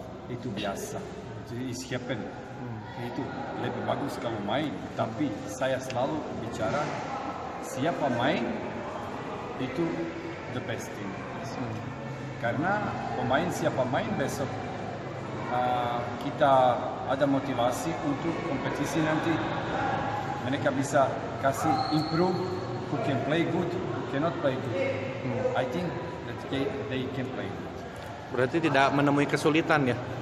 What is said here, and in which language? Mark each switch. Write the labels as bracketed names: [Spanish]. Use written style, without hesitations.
[Indonesian] Itu biasa, [English] it's happen. [Indonesian] Itu lebih bagus kalau main, tapi saya selalu bicara siapa main itu [English] the best thing. [Indonesian] Karena pemain siapa main besok kita ada motivasi untuk kompetisi nanti. Mereka bisa kasih [English] improve who can play good, who cannot play good. I think that they can play good. [Indonesian] Berarti tidak menemui kesulitan ya?